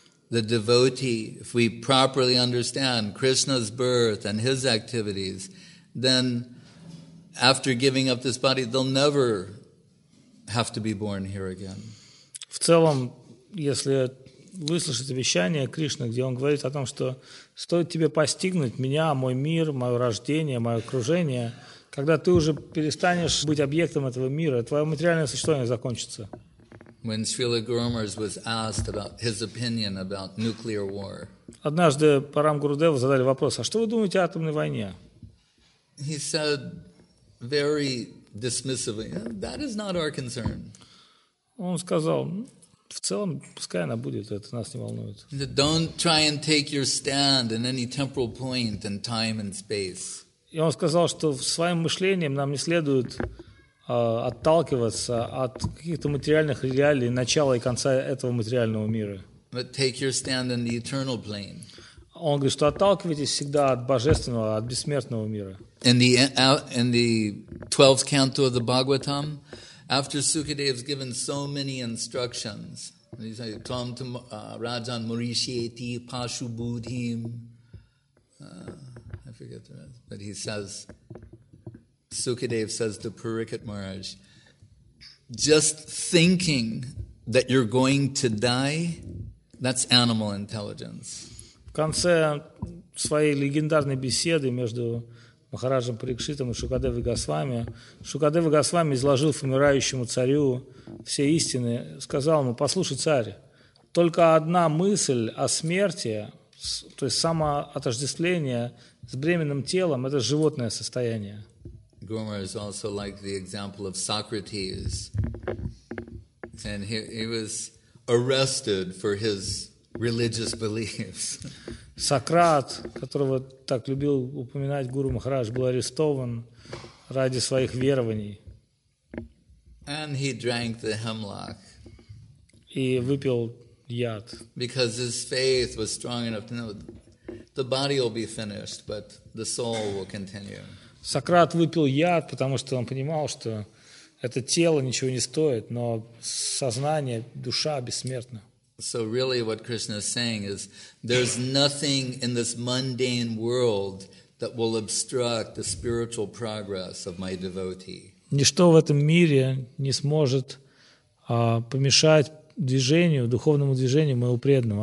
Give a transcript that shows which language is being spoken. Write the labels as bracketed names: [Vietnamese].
[English] The devotee, if we properly understand Krishna's birth and his activities, then after giving up this body, they'll never have to be born here again. [Russian] В целом, если выслушать обещание Кришны, где он говорит о том, что стоит тебе постигнуть меня, мой мир, мое рождение, мое окружение, когда ты уже перестанешь быть объектом этого мира, твое материальное существование закончится. [English] When Srila Gurumars was asked about his opinion about nuclear war. [Russian] Однажды Парам Гурудеву задали вопрос: а что вы думаете о атомной войне? [English] He said very dismissively, that is not our concern. [Russian] Он сказал, в целом, пускай она будет, это нас не волнует. [English] Don't try and take your stand in any temporal point in time and space. [Russian] И он сказал, что своим мышлением нам не следует отталкиваться от каких-то материальных реалий начала и конца этого материального мира. [English] But take your stand in the eternal plane. [Russian] Он говорит, что отталкивайтесь всегда от божественного, от бессмертного мира. [English] In the 12th canto of the Bhagavatam, after Sukadeva has given so many instructions, he says, [Sanskrit] "Tom to Rajan Murishyeti Pashu Budhim." [English] I forget the rest, but he says, Sukadeva says to Parikshit Maharaj, "Just thinking that you're going to die, that's animal intelligence." [Russian] В конце своей легендарной беседы между Махараджам Парикшитам и Шукадевой Госвами. Шукадева Госвами изложил умирающему царю все истины, сказал ему: послушай, царь, только одна мысль о смерти, то есть самоотождествление с бременным телом, это животное состояние. [English] Гурма is also like the example of Socrates. And he was arrested for his religious beliefs. [Russian] Сократ, которого так любил упоминать Гуру Махарадж, был арестован ради своих верований. [English] And he drank the hemlock. [Russian] И выпил яд. [English] Because his faith was strong enough to know the body will be finished, but the soul will continue. [Russian] Сократ выпил яд, потому что он понимал, что это тело ничего не стоит, но сознание, душа бессмертна. [English] So really what Krishna is saying is there's nothing in this mundane world that will obstruct the spiritual progress of my devotee. [Russian] Ничто в этом мире не сможет помешать движению, духовному движению моего преданного.